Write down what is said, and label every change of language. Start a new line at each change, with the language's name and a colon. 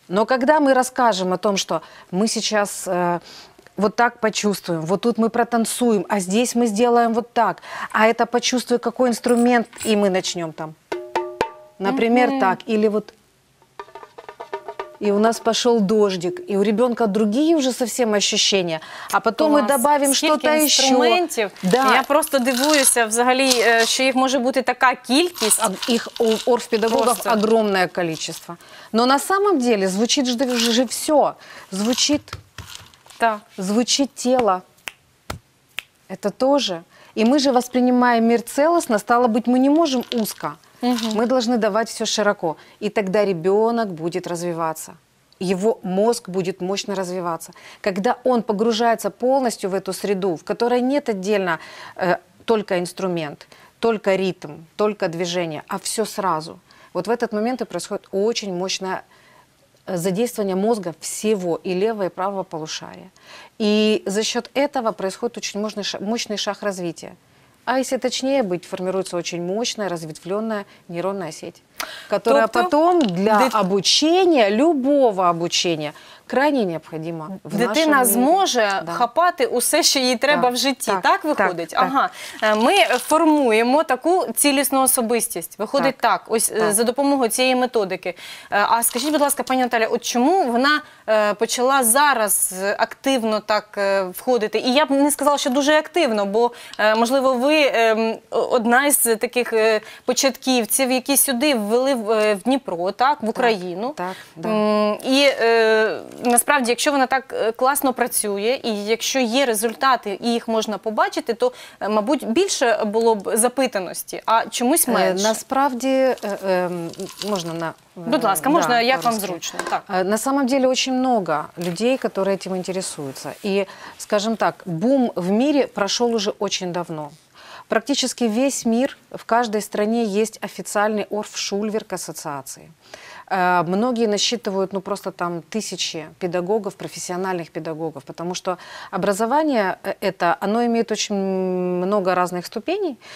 Russian: Но когда мы расскажем о том, что мы сейчас вот так почувствуем, вот тут мы протанцуем, а здесь мы сделаем вот так, а это почувствуй, какой инструмент, и мы начнем там. Например, так, или вот... И у нас пошел дождик, и у ребенка другие уже совсем ощущения. А потом мы добавим что-то еще.
Ukrainian: Скільки інструментів?
Russian: Да.
Ukrainian: Я просто дивуюся взагалі, що їх може бути така кількість.
Russian: Їх у орфпедагогов просто огромное количество. Но на самом деле звучит же все. Звучит, так. Звучит тело. Это тоже. И мы же воспринимаем мир целостно, стало быть, мы не можем узко. Мы должны давать все широко, и тогда ребенок будет развиваться, его мозг будет мощно развиваться. Когда он погружается полностью в эту среду, в которой нет отдельно только инструмент, только ритм, только движение, а все сразу, вот в этот момент и происходит очень мощное задействование мозга всего, и левого, и правого полушария. И за счет этого происходит очень мощный шаг развития. А если точнее быть, формируется очень мощная, разветвленная нейронная сеть, которая тобто потом для обучения, любого обучения, крайне необходима.
Ukrainian: Дитина зможе хапати усе, що їй треба в житті, так виходить? Так, ага. Так. Ми формуємо таку цілісну особистість. Виходить так, ось так, за допомогою цієї методики. А скажіть, будь ласка, пані Наталя, от чому вона почала зараз активно так входити? І я б не сказала, що дуже активно, бо, можливо, ви одна із таких початківців, які сюди ввели в Дніпро, так, в Україну. Так, так. І насправді, якщо вона так класно працює, і якщо є результати, і їх можна побачити, то, мабуть, більше було б запитаності, а чомусь менше. Насправді, можна на... Будь ласка, можна, да, як вам зручно. Так.
Russian: На самом деле, очень много людей, которые этим интересуются. И, скажем так, бум в мире прошел уже очень давно. Практически весь мир, в каждой стране есть официальный орфшульверк ассоциации. Многие насчитывают, ну, просто там тысячи педагогов, профессиональных педагогов, потому что образование это, оно имеет очень много разных ступеней.